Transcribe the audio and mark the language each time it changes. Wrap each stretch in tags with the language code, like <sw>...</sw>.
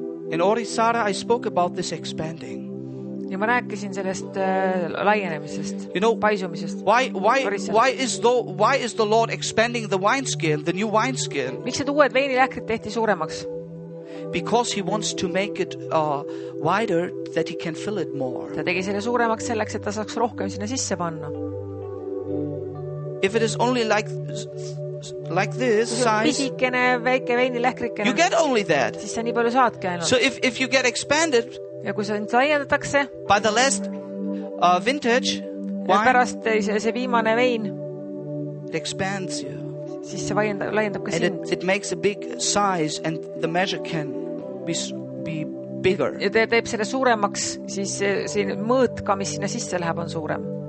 <en>In Orisara, I spoke about this expanding.</en> <et>Ja ma rääkisin sellest laienemisest,</et> <en>you know,</en> <et>paisumisest.</et> <en>Why is the Lord expanding the wineskin, the new wineskin?</en> <et>Miks need uued veinilähkrid tehti suuremaks?</et> <en>Because he wants to make it wider that he can fill it more.</en> <et>Ta tegi selle suuremaks selleks, et ta saaks rohkem sinna sisse panna.</et> <en>If it is only like this size,</en> <et>väike veini lähkrikene,</et> <en>you get only that.</en> <et>Siis sa nii palju saadki ainult.</et> <en>So if you get expanded,</en> <et>ja kui sa nüüd laiendatakse,</et> <en>by the last vintage wine,</en> <et>pärast see viimane vein,</et> <en>it expands you.</en> <et>Siis see laiendab ka</et> <en>and</en> <et>sind.</et> <en>It makes a big size and the measure can be bigger.</en> <et>Ja teeb selle suuremaks, siis see mõõt ka, mis sinna sisse läheb, on suurem.</et>